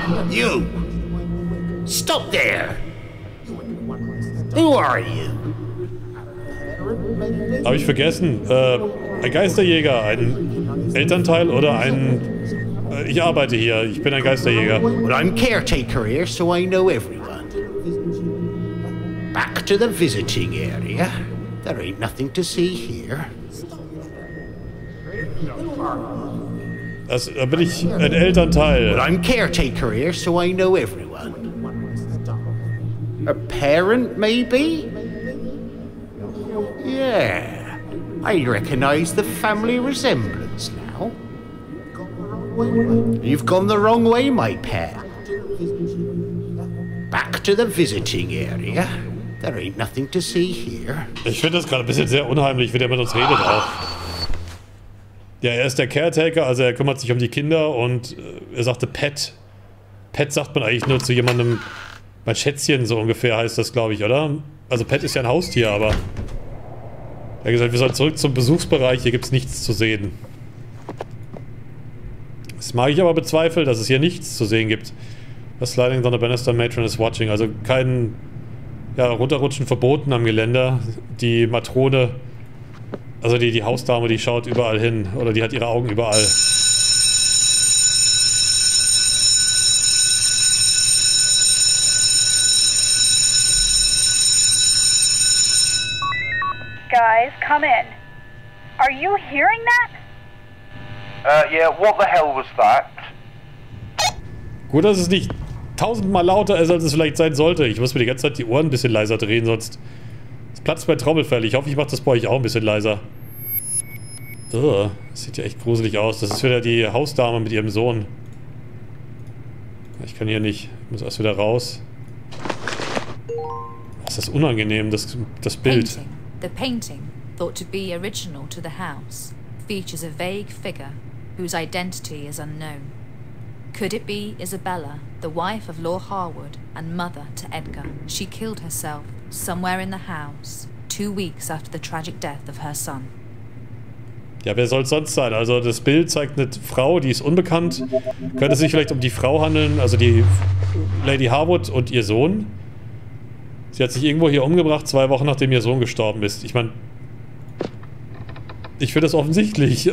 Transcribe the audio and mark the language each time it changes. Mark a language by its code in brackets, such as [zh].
[en] You! Stop there! Who are you? [de] Habe ich vergessen. Ein Geisterjäger, ein Elternteil oder ein... ich arbeite hier, ich bin ein Geisterjäger. [en] Well, I'm caretaker here, so I know everyone. Back to the visiting area. There ain't nothing to see here. [de] Also, da bin ich ein Elternteil. [en] Well, I'm caretaker here, so I know everyone. A parent, maybe? Yeah, I recognize the family resemblance now. You've gone the wrong way, my pet. Back to the visiting area. There ain't nothing to see here. [de] Ich finde das gerade ein bisschen sehr unheimlich, wie der mit uns redet auch. Ja, er ist der Caretaker, also er kümmert sich um die Kinder und er sagte Pet. Pet sagt man eigentlich nur zu jemandem, mein Schätzchen so ungefähr heißt das, glaube ich, oder? Also Pet ist ja ein Haustier, aber... Er hat gesagt, wir sollen zurück zum Besuchsbereich, hier gibt es nichts zu sehen. Das mag ich aber bezweifeln, dass es hier nichts zu sehen gibt. [en] The sliding on the banister matron is watching. [de] Also kein, ja, runterrutschen verboten am Geländer. Die Matrone, also die Hausdame, die schaut überall hin. Oder die hat ihre Augen überall. [en] Guys, come in. Are you hearing that? Yeah, what the hell was that? [de] Gut, dass es nicht tausendmal lauter ist, als es vielleicht sein sollte. Ich muss mir die ganze Zeit die Ohren ein bisschen leiser drehen, sonst platzt mein Trommelfell. Ich hoffe, ich mache das bei euch auch ein bisschen leiser. Ugh, das sieht ja echt gruselig aus. Das ist wieder die Hausdame mit ihrem Sohn. Ich kann hier nicht. Ich muss erst wieder raus. Das ist unangenehm, das Bild. [en] The painting, thought to be original to the house, features a vague figure whose identity is unknown. Could it be Isabella, the wife of Lord Harwood and mother to Edgar? She killed herself somewhere in the house, 2 weeks after the tragic death of her son. [de] Ja, wer soll es sonst sein? Also das Bild zeigt eine Frau, die ist unbekannt. Könnte es sich vielleicht um die Frau handeln, also die Lady Harwood und ihr Sohn? Sie hat sich irgendwo hier umgebracht, 2 Wochen nachdem ihr Sohn gestorben ist. Ich meine, ich finde das offensichtlich.